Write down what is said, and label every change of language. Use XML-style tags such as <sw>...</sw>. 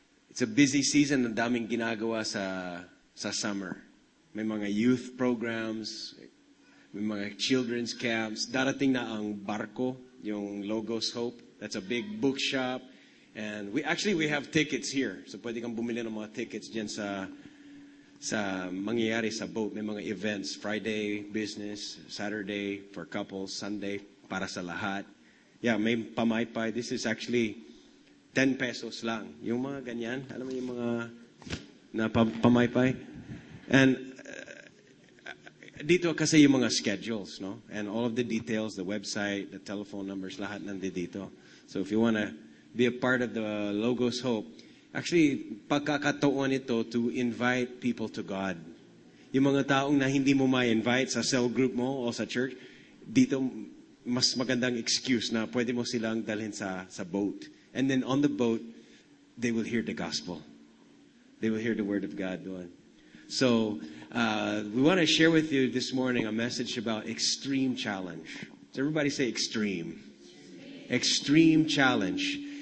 <en>It's a busy season.</en> <tl>Ang daming ginagawa sa summer. May mga youth programs, may mga children's camps. Darating na ang barko, yung Logos Hope.</tl> <en>That's a big bookshop. And we have tickets here.</en> <tl>So pwede kang bumili ng mga tickets dyan sa mangyayari sa boat. May mga events. Friday, business.</tl> <en>Saturday for couples.</en> <tl>Sunday, para sa lahat. Yeah, may pamaypay.</tl> <en>This is actually 10 pesos lang. Yung mga ganyan.</en> <tl>Alam mo yung mga na pamaypay? And... dito kasi yung mga schedules, no?</tl> <en>And all of the details, the website, the telephone numbers,</en> <tl>lahat nandito.</tl> <en>So if you want to be a part of the Logos Hope, actually, pagkakatoon ito to invite people to God.</en> <tl>Yung mga taong na hindi mo ma-invite sa cell group mo o sa church, dito mas magandang excuse na pwede mo silang dalhin sa boat.</tl> <en>And then on the boat, they will hear the gospel. They will hear the word of God doon. So, we want to share with you this morning a message about extreme challenge. Does everybody say extreme? Extreme? Extreme challenge.</en>